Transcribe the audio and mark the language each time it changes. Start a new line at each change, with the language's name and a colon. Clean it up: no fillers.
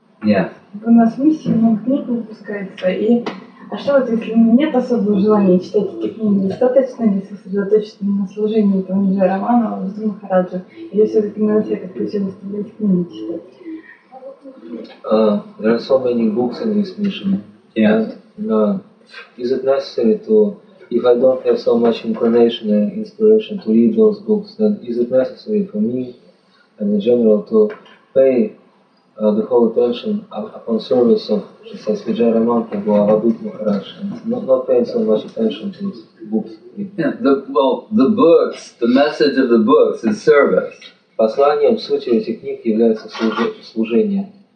Russian: У нас миссии, но книга выпускается. И, а что вот, если нет особого желания читать эти книги, достаточно ли сосредоточиться на служении там же романа в Махараджа? Или все-таки надо себя как-то все заставлять книги читать?
English: There are so many books in this mission. Is it necessary to, if I don't have so much inclination and inspiration to read those books, then is it necessary for me and in general to pay the whole attention upon service of Shisai Svijaya Mahaprabhu or Abhut Maharaj, not paying so much attention to these books? The books, the message of the books is service.
Russian: Посланием сути этих книг является служение.